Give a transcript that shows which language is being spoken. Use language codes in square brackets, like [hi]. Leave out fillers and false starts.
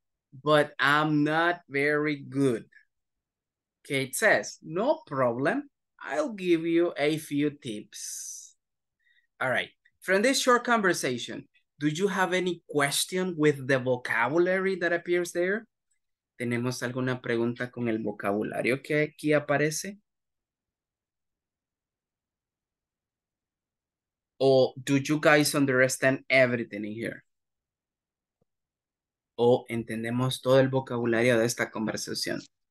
[en] But I'm not very good. Kate says, no problem. I'll give you a few tips. All right. From this short conversation, do you have any question with the vocabulary that appears there? [es] ¿Tenemos alguna pregunta con el vocabulario que aquí aparece? [en] Or do you guys understand everything in here? [es] ¿O entendemos todo el vocabulario de esta conversación?